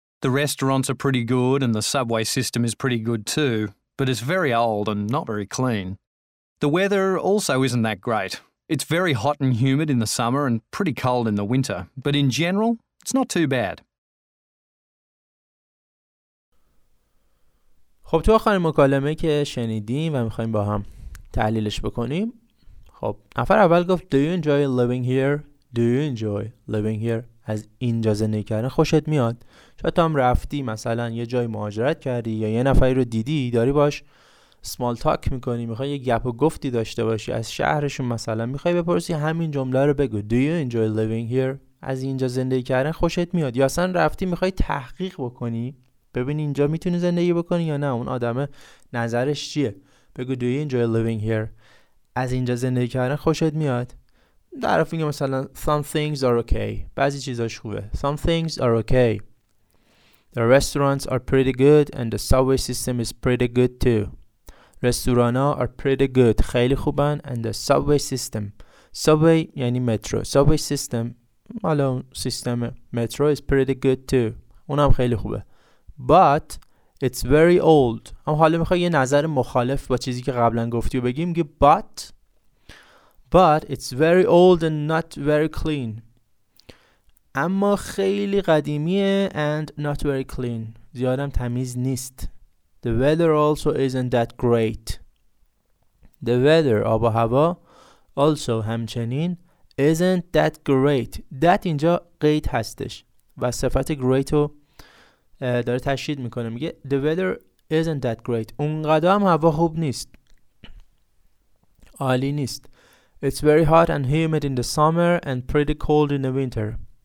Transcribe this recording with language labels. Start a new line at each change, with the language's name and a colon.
English: The restaurants are pretty good and the subway system is pretty good too, but it's very old and not very clean. The weather also isn't that great. It's very hot and humid in the summer and pretty cold in the winter, but in general, it's not too bad.
Persian: خب تو آخرین مکالمه که شنیدیم و می‌خوایم با هم تحلیلش بکنیم. خب نفر اول گفت
English: Do you enjoy living here? Do you enjoy living here?
Persian: از اینجا زندگی کردن خوشت میاد؟ شاید تو هم رفتی مثلا یه جای مهاجرت کردی یا یه نفری رو دیدی داری باش سمال تاک میکنی، میخوای یه گپ و گفتی داشته باشی از شهرشون، مثلا میخوای بپرسی همین جمله رو بگو
English: Do you enjoy living here?
Persian: از اینجا زندگی کردن خوشت میاد؟ یا اصلا رفتی میخوای تحقیق بکنی ببین اینجا میتونی زندگی بکنی یا نه، اون آدم نظرش چیه، بگو
English: Do you enjoy living here?
Persian: از اینجا زندگی کردن خوشت میاد؟ در حالی که مثلا
English: some things are okay،
Persian: بعضی چیزاش خوبه.
English: Some things are okay. The restaurants are pretty good and the subway system is pretty good too.
Persian: رستوران ها
English: are pretty good،
Persian: خیلی خوبن.
English: And the subway system.
Persian: Subway یعنی مترو. Subway system، حالا سیستم مترو،
English: is pretty good too،
Persian: اونم خیلی خوبه.
English: But it's very old.
Persian: اما حالا میخوای یه نظر مخالف با چیزی که قبلا گفتی و بگیم، میگه
English: but it's very old and not very clean.
Persian: اما خیلی قدیمیه
English: and not very clean.
Persian: زیادم تمیز نیست.
English: The weather also isn't that great. The weather،
Persian: آب و هوا،
English: also
Persian: همچنین
English: isn't that great.
Persian: That اینجا great هستش و صفت great رو داره تشدید میکنه، میگه
English: The weather isn't that great.
Persian: اونقدر هم هوا خوب نیست، عالی نیست.
English: It's very hot and humid in the summer and pretty cold in the winter.